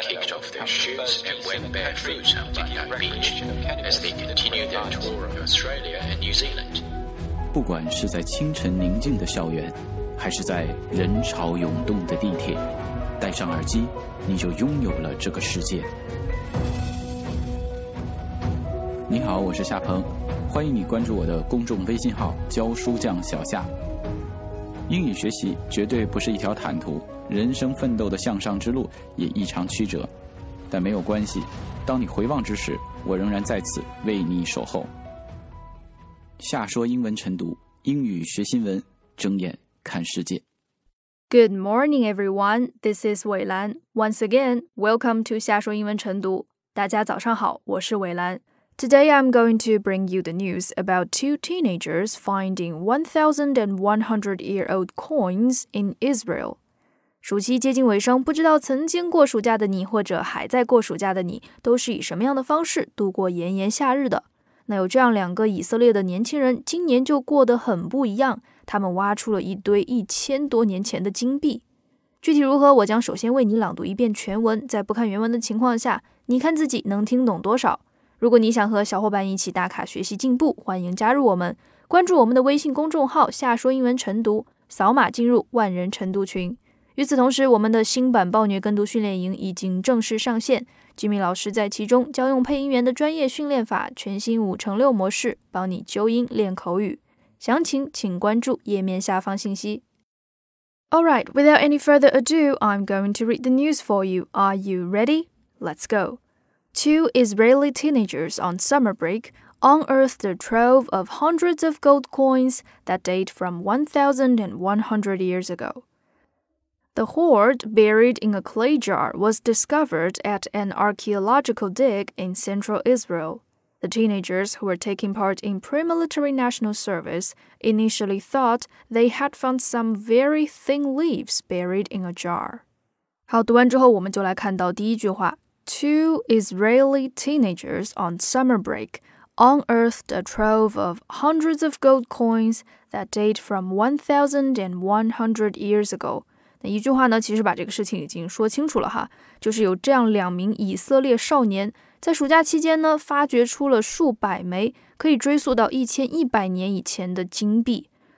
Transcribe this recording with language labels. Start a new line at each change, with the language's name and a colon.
English: kicked off their shoes and went barefoot on Bondi Beach as they continued their tour of Australia and New Zealand.
Chinese: 不管是在清晨宁静的校园，还是在人潮涌动的地铁，戴上耳机，你就拥有了这个世界。你好，我是夏鹏，欢迎你关注我的公众微信号“教书匠小夏”。英语学习绝对不是一条坦途，人生奋斗的向上之路也异常曲折，但没有关系，当你回望之时，我仍然在此为你守候。夏说英文晨读，英语学新闻，睁眼看世界。
English: Good morning, everyone. This is 伟兰.Once again, welcome to 夏说英文晨读。
Chinese: 大家早上好，我是伟兰。
English: Today, I'm going to bring you the news about two teenagers finding 1,100-year-old coins in Israel.
Chinese: 暑期接近尾声，不知道曾经过暑假的你，或者还在过暑假的你，都是以什么样的方式度过炎炎夏日的？那有这样两个以色列的年轻人，今年就过得很不一样。他们挖出了一堆1000多年前的金币。具体如何，我将首先为你朗读一遍全文，在不看原文的情况下，你看自己能听懂多少。如果你想和小伙伴一起打卡学习进步，欢迎加入我们，关注我们的微信公众号“夏说英文晨读”，扫码进入万人晨读群。与此同时，我们的新版暴虐跟读训练营已经正式上线，吉米老师在其中教用配音员的专业训练法，全新5x6模式，帮你纠音练口语。详情请关注页面下方信息。
English: All right, without any further ado, I'm going to read the news for you. Are you ready? Let's go. Two Israeli teenagers on summer break unearthed a trove of hundreds of gold coins that date from 1,100 years ago. The hoard, buried in a clay jar, was discovered at an archaeological dig in central Israel. The teenagers, who were taking part in pre-military national service, initially thought they had found some very thin leaves buried in a jar.
Chinese: 好，读完之后我们就来看到第一句话。
English: Two Israeli teenagers on summer break unearthed a trove of hundreds of gold coins that date from 1,100 years ago.
Chinese: 那一句话呢，其实把这个事情已经说清楚了哈，就是有这样两名以色列少年在暑假期间呢，发掘出了数百枚可以追溯到1100年以前的金币。